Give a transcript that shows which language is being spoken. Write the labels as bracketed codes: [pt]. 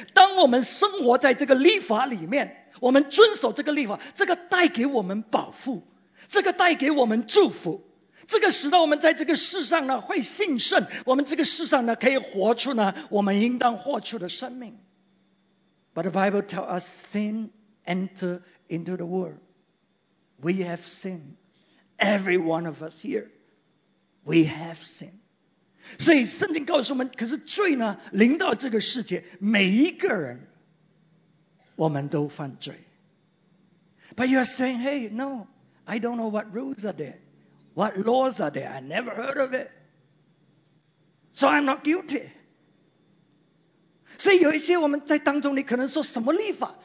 [zh] 当我们生活在这个律法里面，我们遵守这个律法，这个带给我们保护，这个带给我们祝福，这个使得我们在这个世上呢会兴盛，我们这个世上呢可以活出呢我们应当活出的生命。 [en] But the Bible tells us sin enter into the world. We have sinned. Every one of us here, we have sinned. [zh] 所以圣经告诉我们，可是罪呢临到这个世界，每一个人我们都犯罪。 [en] But you are saying, hey, no, I don't know what rules are there. What laws are there? I never heard of it. So I'm not guilty. [zh] 所以有一些我们在当中，你可能说什么律法？